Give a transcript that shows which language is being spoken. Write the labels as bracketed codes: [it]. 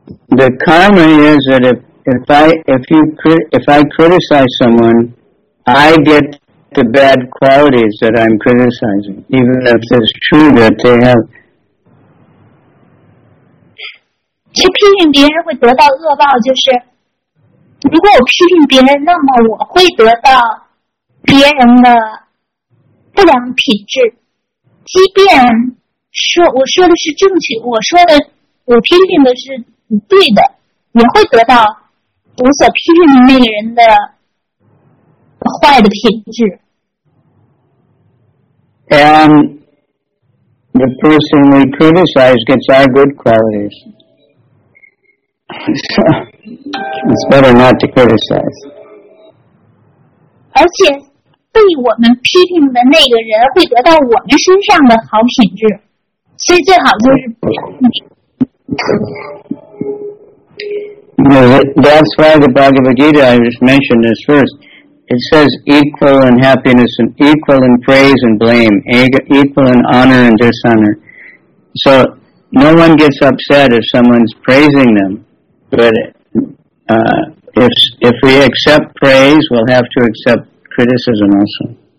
[en] The karma is that if I criticize someone, I get the bad qualities that I'm criticizing, even if it's true that they have. [zh] 去批评别人会得到恶报，就是如果我批评别人，那么我会得到别人的不良品质。即便说我说的是正确，我说的我批评的是对的，也会得到我所批评的那个人的坏的品质。 [en] And the person we criticize gets our good qualities. So it's better not to criticize. [zh] 而且被我们批评的那个人会得到我们身上的好品质，所以最好就是不要批评。 [en] That's why the Bhagavad Gita, I just mentioned this first, it says equal in happiness and equal in praise and blame, equal in honor and dishonor. So no one gets upset if someone's praising them, but if we accept praise, we'll have to accept criticism also.